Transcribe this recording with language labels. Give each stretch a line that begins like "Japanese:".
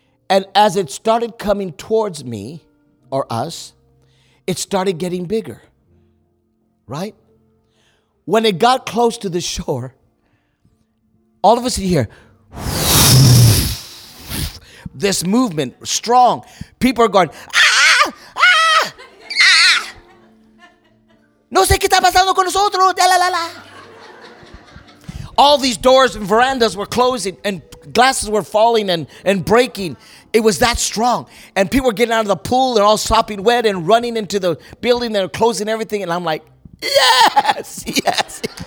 English: And as it started coming towards me or us, it started getting bigger. Right? When it got close to the shore, all of a sudden you hear this movement, strong. People are going,
Spanish: no sé qué está pasando con nosotros.
English: All these doors and verandas were closing and glasses were falling and breaking. It was that strong. And people were getting out of the pool and all sopping wet and running into the building and closing everything. And I'm like, yes, yes.